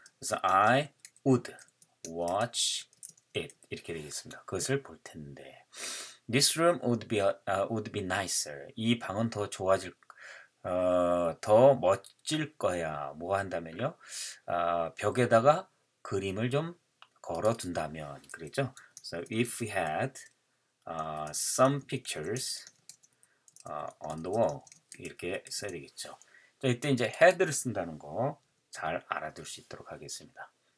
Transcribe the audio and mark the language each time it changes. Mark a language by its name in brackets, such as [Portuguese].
[Korean] 그래서 [English] I would watch it [Korean] 이렇게 되겠습니다. 그것을 볼 텐데 [English] this room would be nicer. [Korean] 이 방은 더 좋아질 더 멋질 거야. 뭐 한다면요? 벽에다가 그림을 좀 걸어 둔다면 그렇죠. [English] So if we had some pictures on the wall. [Korean] 이렇게 써야 되겠죠. 자, 이때 이제 head를 쓴다는 거 잘 알아둘 수 있도록 하겠습니다.